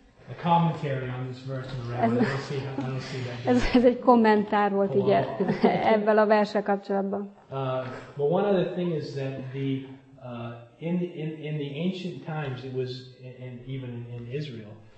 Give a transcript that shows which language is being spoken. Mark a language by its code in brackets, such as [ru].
[en] A commentary on this verse in the rabbi. [hu] Ez egy kommentár volt ugye ebből a verssel kapcsolatban. [en] But one other thing is that in the ancient times it was and even in Israel.